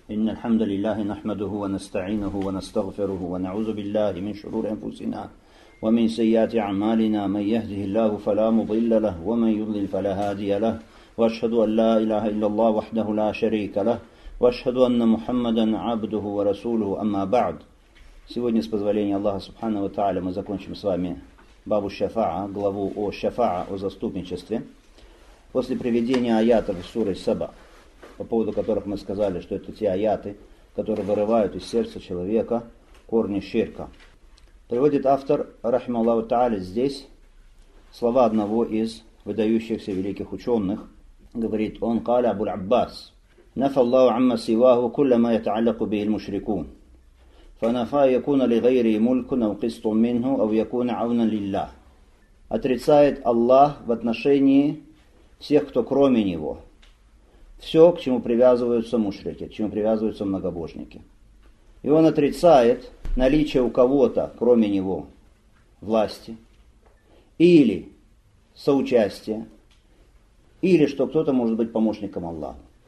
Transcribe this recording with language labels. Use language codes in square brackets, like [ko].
[ar] إن الحمد لله نحمده ونستعينه ونستغفره ونعوذ بالله من شرور أنفسنا ومن سيئات أعمالنا، من يهده الله فلا مضل له ومن يضلل فلا هادي له، وأشهد أن لا إله إلا الله وحده لا شريك له، وأشهد أن محمدا عبده ورسوله. أما بعد، [ru] сегодня с позволения [ar] الله سبحانه وتعالى [ru] мы закончим с вами [ar] باب الشفاعة، [ru] главу о الشفاعة، о заступничестве. После приведения аятов суры Саба, по поводу которых мы сказали, что это те аяты, которые вырывают из сердца человека корни ширка, приводит автор, рахима Аллаху Та'аля, здесь слова одного из выдающихся великих ученых. Говорит он, [ar] قال أبو العباس نفى الله عما سواه كل ما يتعلق به المشركون فنفى يكون لغيره ملك أو قسط منه أو يكون عونا لله. [ru] Отрицает Аллах в отношении всех, кто кроме Него, все, к чему привязываются мушрики, к чему привязываются многобожники. И он отрицает наличие у кого-то, кроме него, власти, или соучастия, или что кто-то может быть помощником Аллаха.